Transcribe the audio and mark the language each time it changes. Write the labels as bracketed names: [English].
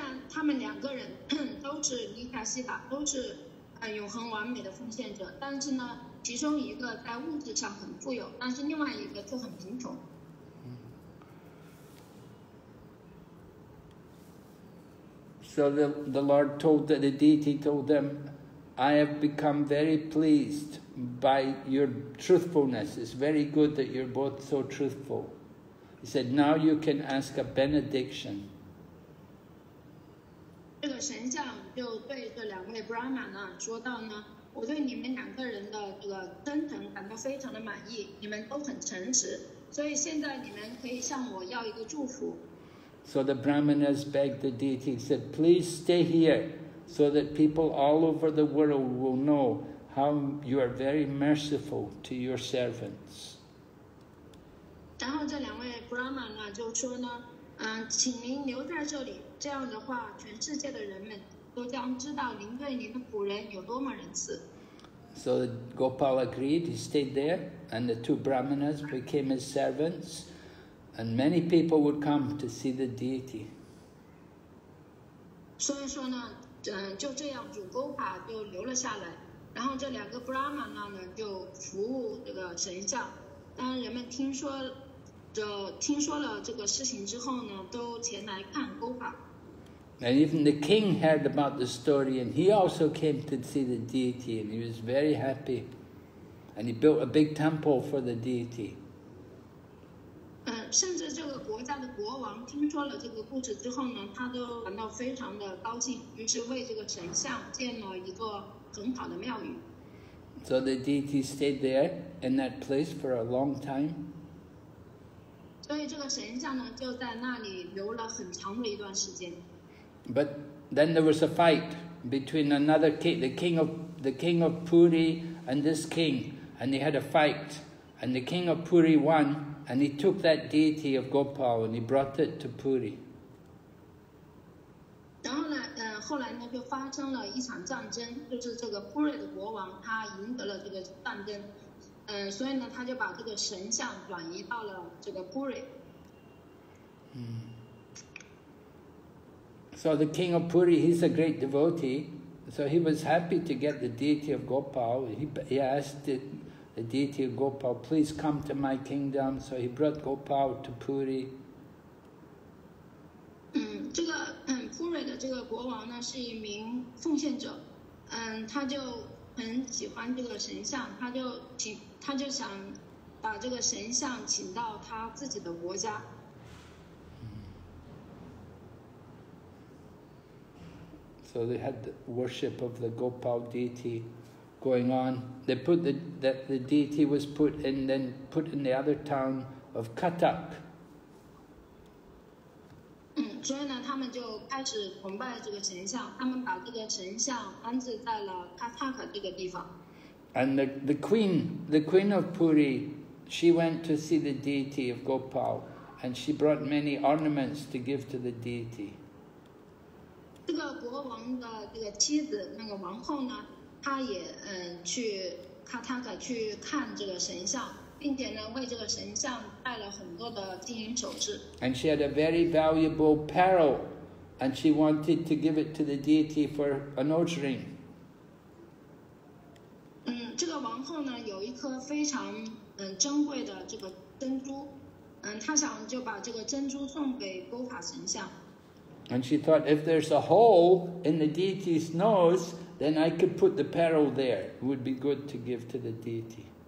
[Chinese] 他们两个人都是尼卡西达，都是永恒完美的奉献者。但是呢，其中一个在物质上很富有，但是另外一个就很贫穷。 [English] So the Lord told that the deity told them, "I have become very pleased by your truthfulness. It's very good that you're both so truthful." He said, "Now you can ask a benediction." [Chinese] 这个神像就对这两位 Brahman 呢说到呢，我对你们两个人的这个真诚感到非常的满意，你们都很诚实，所以现在你们可以向我要一个祝福。 [English] So the Brahmanas begged the deity, said, "Please stay here, so that people all over the world will know how you are very merciful to your servants." [Chinese] 然后这两位 Brahman 呢就说呢，请您留在这里。这样的话，全世界的人们都将知道您对您的仆人有多么仁慈。 [English] So Gopal agreed. He stayed there, and the two Brahmanas became his servants. And many people would come to see the deity. [Chinese] 所以说呢，就这样，主 Gopa 就留了下来。然后这两个 Brahman 呢，就服务这个神像。当人们听说。 [English] And even the king heard about the story, and he also came to see the deity, and he was very happy. And he built a big temple for the deity. [Chinese] 甚至这个国家的国王听说了这个故事之后呢，他都感到非常的高兴，于是为这个神像建了一个很好的庙宇。 [English] So the deity stayed there in that place for a long time. [Chinese] 所以这个神像呢，就在那里留了很长的一段时间。 [English] But then there was a fight between another king, the king of Puri and this king, and they had a fight. And the king of Puri won, and he took that deity of Gopal and he brought it to Puri. [Chinese] 后来呢，就发生了一场战争，就是这个 Puri 的国王他赢得了这个战争，所以呢，他就把这个神像转移到了这个 Puri。 [English] So the king of Puri, he's a great devotee, so he was happy to get the deity of Gopal. He asked the deity of Gopal, please come to my kingdom. So he brought Gopal to Puri. [Chinese] Puri 的这个国王呢是一名奉献者，他就很喜欢这个神像，他就想把这个神像请到他自己的国家。 [English] So they had the worship of the Gopal deity going on. They put the deity was put in, then put in the other town of Cuttack. [Chinese] 所以呢，他们就开始崇拜这个神像。他们把这个神像安置在了 Cuttack 这个地方。 [English] And the queen of Puri, she went to see the deity of Gopal, and she brought many ornaments to give to the deity. [Chinese] 这个国王的这个妻子，那个王后呢，她也去卡塔卡去看这个神像，并且呢为这个神像带了很多的金银首饰。 [English] And she had a very valuable pearl, and she wanted to give it to the deity for a nose ring. [Chinese] 这个王后呢有一颗非常珍贵的这个珍珠，她想就把这个珍珠送给波法神像。 [English] And she thought, if there's a hole in the deity's nose, then I could put the pearl there. It would be good to give to the deity.